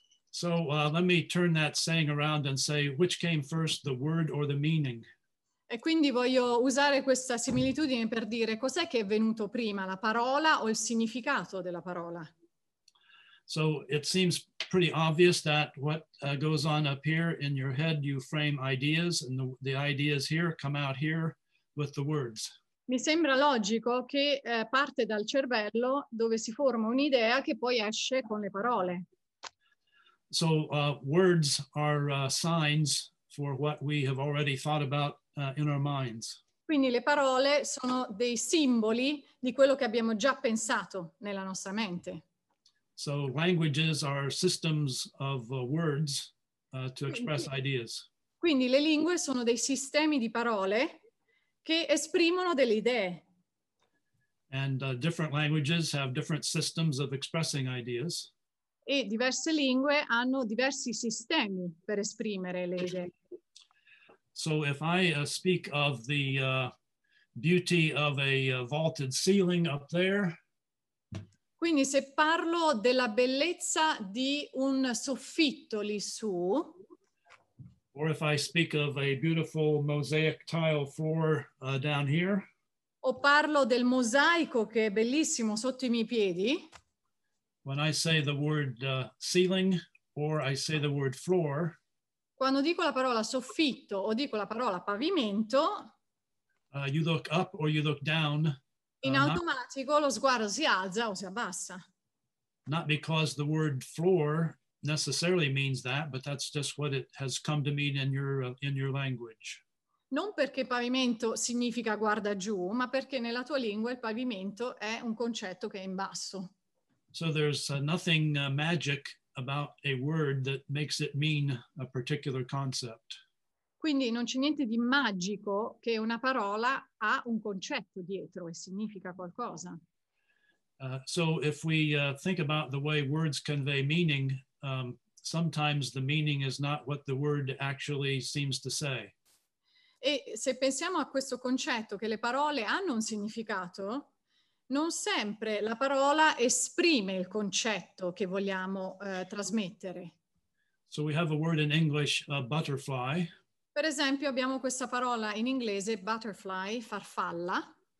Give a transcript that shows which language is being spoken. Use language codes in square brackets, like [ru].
[en] So let me turn that saying around and say, which came first, the word or the meaning? [it] E quindi voglio usare questa similitudine per dire, cos'è che è venuto prima, la parola o il significato della parola? [en] So it seems pretty obvious that what goes on up here in your head, you frame ideas, and the ideas here come out here with the words. [it] Mi sembra logico che parte dal cervello, dove si forma un'idea che poi esce con le parole. [en] So words are signs for what we have already thought about in our minds. [it] Quindi le parole sono dei simboli di quello che abbiamo già pensato nella nostra mente. [en] So languages are systems of words to express ideas. [it] Quindi le lingue sono dei sistemi di parole che esprimono delle idee. [en] And different languages have different systems of expressing ideas. [it] E diverse lingue hanno diversi sistemi per esprimere le idee. [en] So if I speak of the beauty of a vaulted ceiling up there. [it] Quindi se parlo della bellezza di un soffitto lì su, [en] or if I speak of a beautiful mosaic tile floor down here, [it] O parlo del mosaico che è bellissimo sotto i miei piedi. [en] When I say the word ceiling or I say the word floor. [it] Quando dico la parola soffitto o dico la parola pavimento. [en] You look up or you look down. [it] In automatico lo sguardo si alza o si abbassa. [en] Not because the word floor necessarily means that, but that's just what it has come to mean in your language. [it] Non perché pavimento significa guarda giù, ma perché nella tua lingua il pavimento è un concetto che è in basso. [en] So there's nothing magic about a word that makes it mean a particular concept. [it] Quindi non c'è niente di magico che una parola ha un concetto dietro e significa qualcosa. [en] So if we think about the way words convey meaning, sometimes the meaning is not what the word actually seems to say. [it] E se pensiamo a questo concetto che le parole hanno un significato, non sempre la parola esprime il concetto che vogliamo trasmettere. [en] So we have a word in English, butterfly. [it] Per esempio abbiamo questa parola in inglese, butterfly, farfalla.